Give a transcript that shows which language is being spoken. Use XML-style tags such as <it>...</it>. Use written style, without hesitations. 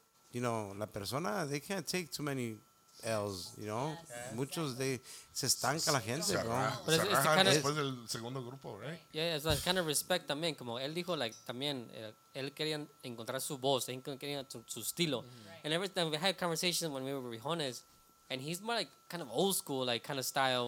<en>You know,</en> <es>la persona,</es> <en>they can't take too many L's, you know?</en> <es>Yes. Muchos, they, se estanca la gente, bro. Pero es kind of, después del segundo grupo, right?</es> <en>Yeah, it's like kind of respect también.</en> <es>Como él dijo, like, también, él quería encontrar su voz, él quería su estilo.</es> <en>Right. And every time we had conversations when we were with Rijones, and he's more like kind of old school, like kind of style.</en>